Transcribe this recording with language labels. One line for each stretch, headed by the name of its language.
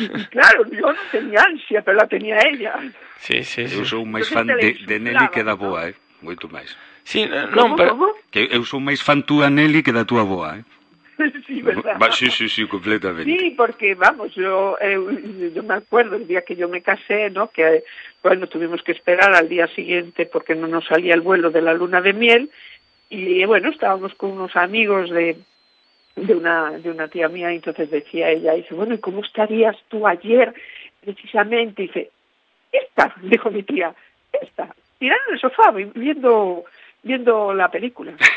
Spanish: Claro, yo no tenía ansia, pero la tenía ella. Sí, sí, sí.
Galician: Eu sou máis fan de Nelly que da boa, moito máis.
Spanish: Sí, non, pero... ¿Cómo?
Galician: Que eu sou máis fan túa Nelly que da túa boa,
Spanish: Sí, ¿verdad? Sí, completamente. Sí, porque, vamos, yo me acuerdo el día que yo me casé, ¿no? Que, bueno, tuvimos que esperar al día siguiente porque no nos salía el vuelo de la luna de miel. Y, bueno, estábamos con unos amigos de una tía mía, y entonces decía ella, dice, bueno, ¿y cómo estarías tú ayer, precisamente? Y dice, esta, dijo mi tía, esta, tirando en el sofá, viendo la película.